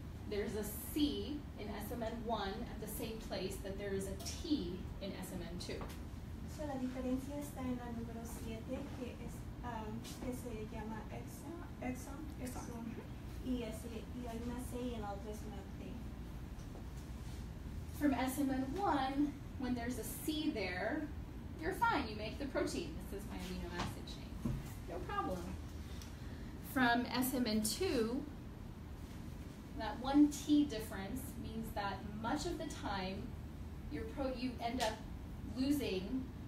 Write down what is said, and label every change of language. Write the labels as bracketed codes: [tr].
[en] There's a C in SMN1 at the same place that there is a T in SMN2. [es] So la diferencia está en la número 7, que se llama exon, y hay una C y la otra es una T. [en] From SMN1, when there's a C there, you're fine, you make the protein. This is my amino acid chain. No problem. From SMN2, that one T difference means that much of the time, you end up losing